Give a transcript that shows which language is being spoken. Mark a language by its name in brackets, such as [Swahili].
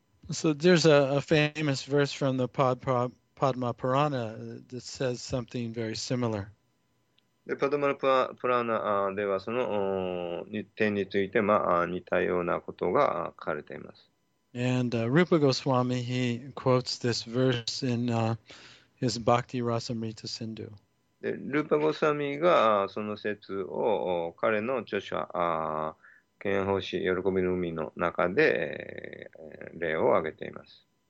[English] So there's a famous verse from the Padma Purana that says something very similar. [Japanese] で、パドマルプラナではその点について、まあ、似たようなことが書かれています。 [English] And Rupa Goswami, he quotes this verse in his Bhakti Rasamrita Sindhu. [Japanese] Rupa Goswami がその説を彼の著書、賢法師喜びの海の中で例を挙げています。